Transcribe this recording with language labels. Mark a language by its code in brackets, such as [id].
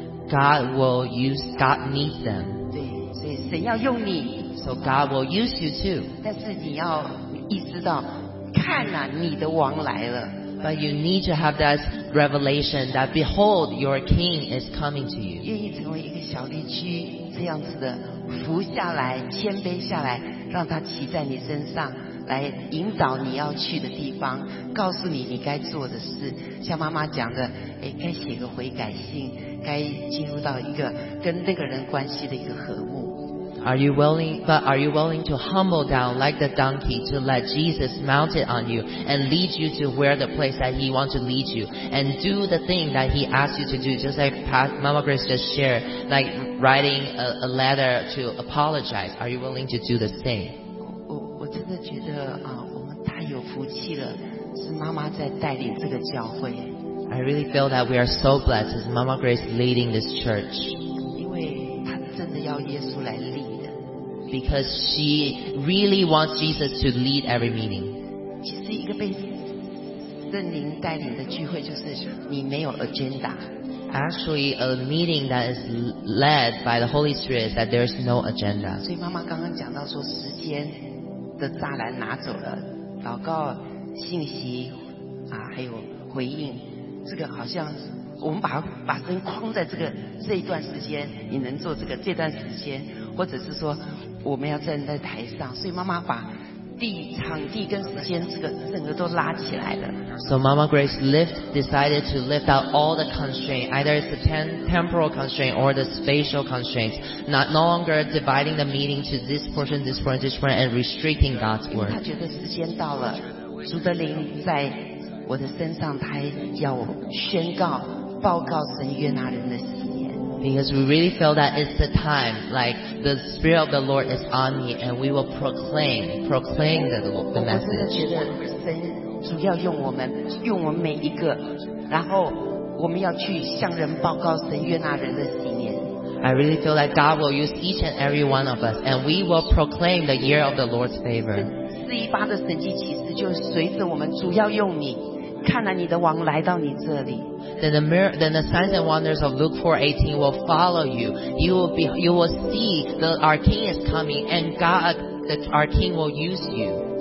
[en] God needs them. [zh] 对，所以神要用你。 [en] So God will use you too. [zh] 但是你要意识到。看啊，你的王来了。 [en] But you need to have that revelation that behold, your king is coming to you. [zh] 愿意成为一个小绿驹，这样子的服下来，谦卑下来，让他骑在你身上，来引导你要去的地方，告诉你你该做的事。像妈妈讲的，哎，该写个悔改信，该进入到一个跟那个人关系的一个和睦。 [en] Are you willing to humble down like the donkey to let Jesus mount it on you and lead you to where the place that he wants to lead you and do the thing that he asks you to do, just like Mama Grace just shared, like writing a letter to apologize. Are you willing to do the same? [zh] 我真的觉得啊，我们太有福气了，是妈妈在带领这个教会。 [en] I really feel that we are so blessed as Mama Grace leading this church. [zh] 因为她真的要耶稣来领。 [en] Because she really wants Jesus to lead every meeting. [zh] 其实一个被圣灵带领的聚会就是你没有 agenda. [en] Actually, a meeting that is led by the Holy Spirit is that there is no agenda. [zh] 所以妈妈刚刚讲到说时间的栅栏拿走了，祷告、信息啊，还有回应，这个好像我们把灯框在这一段时间，你能做这个这段时间，或者是说。我们要站在台上，所以妈妈把地场地跟时间这个整个都拉起来了。 [en] So Mama Grace decided to lift out all the constraints, either it's the temporal constraint or the spatial constraints, not no longer dividing the meeting to this portion, this portion, this portion, and restricting God's word. [zh] 她觉得时间到了，主的灵在我的身上，他要我宣告、报告神悦纳人的心。 [en] Because we really feel that it's the time, like the Spirit of the Lord is on me, and we will proclaim the message. [zh] 我真的觉得神主要用我们每一个，然后我们要去向人报告神悦纳人的喜年。 [en] I really feel that God will use each and every one of us, and we will proclaim the year of the Lord's favor. [zh] 418的神迹启示就随着我们，主要用你。看了你的王来到你这里。 [en] Then the signs and wonders of Luke 4:18 will follow you. You will see that our King is coming, and our King will use you.